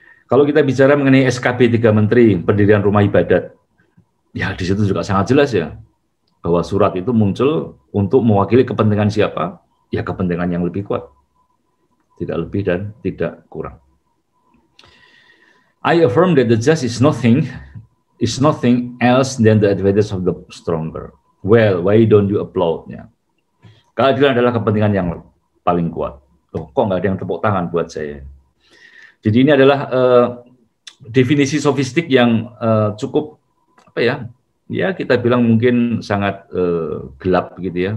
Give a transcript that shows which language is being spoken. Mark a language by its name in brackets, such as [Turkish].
[Indonesian] Kalau kita bicara mengenai SKB 3 Menteri, pendirian rumah ibadat, ya di situ juga sangat jelas ya, bahwa surat itu muncul untuk mewakili kepentingan siapa? Ya kepentingan yang lebih kuat, tidak lebih dan tidak kurang. [English] I affirm that the just is nothing, is nothing else than the advantage of the stronger. Well, why don't you applaud? Ya? [Indonesian] Keadilan adalah kepentingan yang paling kuat. Loh, kok nggak ada yang tepuk tangan buat saya? Jadi ini adalah definisi sofistik yang cukup apa ya? Ya kita bilang mungkin sangat gelap gitu ya.